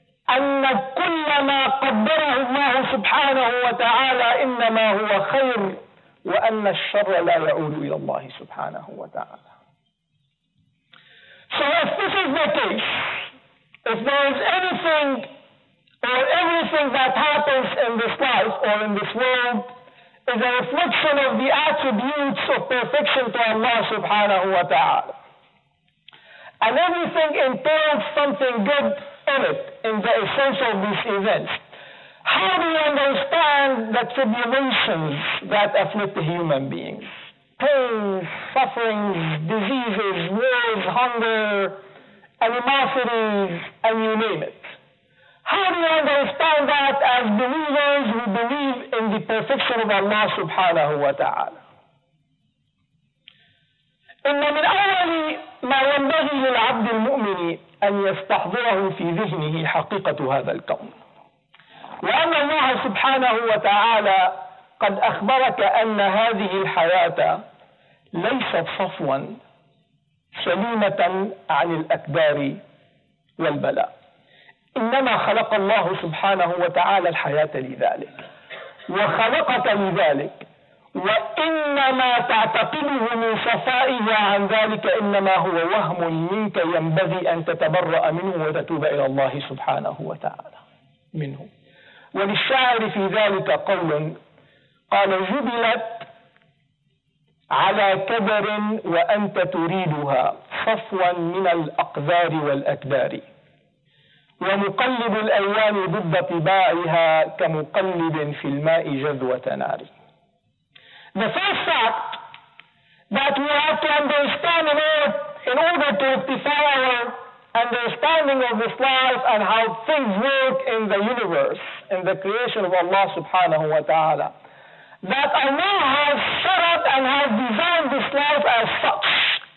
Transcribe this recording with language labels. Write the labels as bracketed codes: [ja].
[ar] أن كل ما قدره الله سبحانه وتعالى إنما هو خير وأن الشر لا يعود إلى الله سبحانه وتعالى [en] So if this is the case if there is anything or everything that happens in this life or in this world is a reflection of the attributes of perfection to Allah subhanahu wa ta'ala. And everything entails something good in it, in the essence of these events. How do you understand the tribulations that afflict the human beings? Pains, sufferings, diseases, wars, hunger, animosities, and you name it. How do you understand that as believers who believe in the perfection of Allah subhanahu wa ta'ala? [ar] إن من أول ما ينبغي للعبد المؤمن أن يستحضره في ذهنه حقيقة هذا الكون، وأن الله سبحانه وتعالى قد أخبرك أن هذه الحياة ليست صفوا سليمة عن الأكبار والبلاء، إنما خلق الله سبحانه وتعالى الحياة لذلك وخلقك لذلك، وإنما تعتقده من صفائها عن ذلك إنما هو وهم منك ينبغي أن تتبرأ منه وتتوب إلى الله سبحانه وتعالى منه. وللشاعر في ذلك قول قال: جبلت على كبر وأنت تريدها صفوا من الأقذار والأكبار، ومقلب الأيام ضد طباعها كمقلب في الماء جذوة نار. [en] The first fact that we have to understand in order to rectify our understanding of this life and how things work in the universe, in the creation of Allah subhanahu wa ta'ala, that Allah has set up and has designed this life as such.